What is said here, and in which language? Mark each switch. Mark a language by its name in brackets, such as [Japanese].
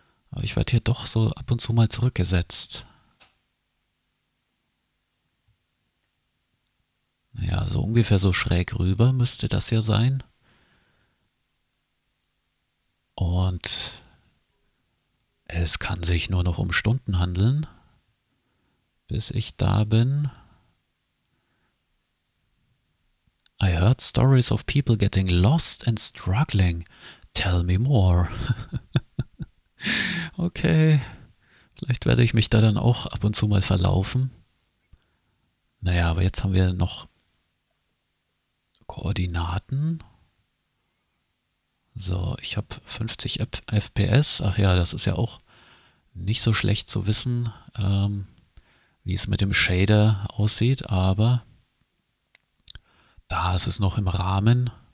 [German] Aber ich werde hier doch so ab und zu mal zurückgesetzt. Naja, Also ungefähr so schräg rüber müsste das ja sein. Und es kann sich nur noch um Stunden handeln, bis ich da bin. [English] I heard stories of people getting lost and struggling. Tell me more. [German] Okay, vielleicht werde ich mich da dann auch ab und zu mal verlaufen. Naja, aber jetzt haben wir noch Koordinaten. So, ich habe 50 FPS. Ach ja, das ist ja auch nicht so schlecht zu wissen, wie es mit dem Shader aussieht, aber da ist es noch im Rahmen.